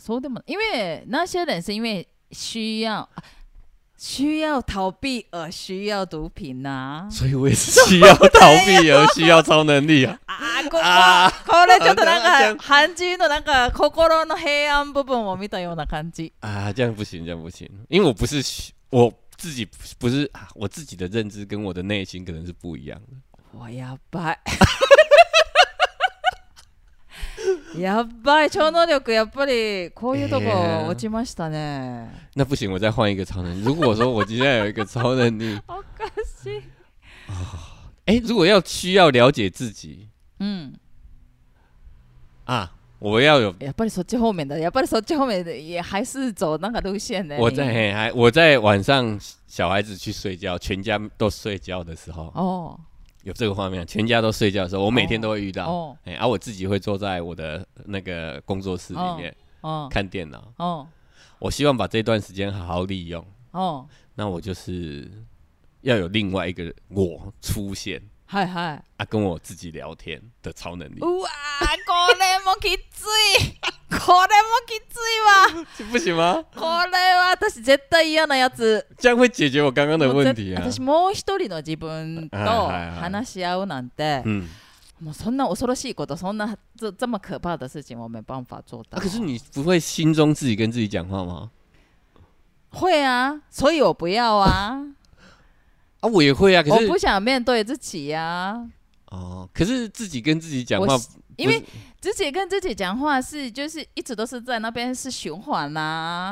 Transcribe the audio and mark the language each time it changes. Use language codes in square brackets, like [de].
[zh] 所以 [ja] でも [zh] 因为那些人是因为。需要逃避而需要毒品啊，所以我也是需要逃避而需要超能力啊。 [ja] これちょっとなんか韓劇のなんか心の黑暗部分を見たような感じ。 [zh] 啊，这样不行，这样不行，因为我不是我自己，不是我自己的认知跟我的内心可能是不一样的。我 [ja] やばい。やばい、超能力やっぱりこういうとこ落ちましたね。 [zh] 那不行，我再换一个超能力。如果说我今天有一个超能力， [ja] おかしい。 [zh] 哎，如果要需要了解自己，嗯，啊，我要有。 [ja] やっぱりそっち [zh] 方面的，やっぱりそっち方面的，也还是走那个路线的。我在晚上小孩子去睡觉，全家都睡觉的时候。哦。有这个画面，全家都睡觉的时候，我每天都会遇到。哎、欸，啊，我自己会坐在我的那个工作室里面，看电脑。我希望把这段时间好好利用。那我就是要有另外一个我出现，嗨嗨，啊，跟我自己聊天的超能力。 [ja] 哇，これもきつい，これもきついわ。 [zh] 不行吗？ [ja] これは私絶対嫌なやつ。 [zh] 这样会解决我刚刚的问题啊。 [ja] 私もう一人の自分と話し合うなんて、もうそんな恐ろしいこと、そんな [zh] 这么可怕的事情我没办法做到。可是你不会心中自己跟自己讲话吗？会啊，所以我不要啊。啊，我也会啊，可是我不想面对自己啊。哦，可是自己跟自己讲话，因为自己跟自己讲话是就是一直都是在那边是循环啊。